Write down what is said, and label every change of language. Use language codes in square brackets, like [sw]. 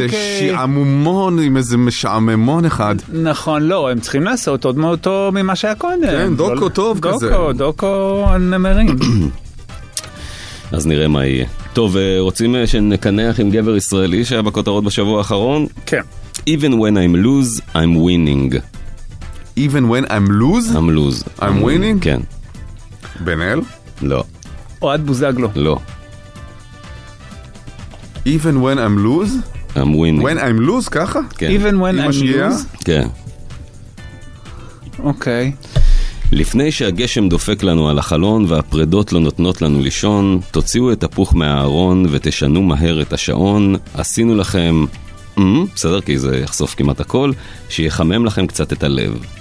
[he] איזה שעממון עם איזה משעממון אחד. נכון, לא, הם צריכים לעשות עוד מאותו ממה שהיה קודם. כן, דוקו טוב כזה. דוקו הנמרים. אז נראה מה יהיה. טוב, רוצים שנקנח עם גבר ישראלי שהיה בכותרות בשבוע האחרון? כן. [en] Even when I'm lose, I'm winning. Even when I'm lose? I'm lose. I'm winning? [he] כן. בן אל? לא. אוהד בוזגלו? לא. [en] Even when I'm lose? I'm winning. When I'm lose, [he] ככה? כן. [en] Even when I'm lose? [he] כן. אוקיי. לפני שהגשם דופק לנו על החלון והפרדות לא נותנות לנו לישון, תוציאו את הפוך מהארון ותשנו מהר את השעון. עשינו לכם, בסדר, כי זה יחשוף כמעט הכל, שיחמם לכם קצת את הלב.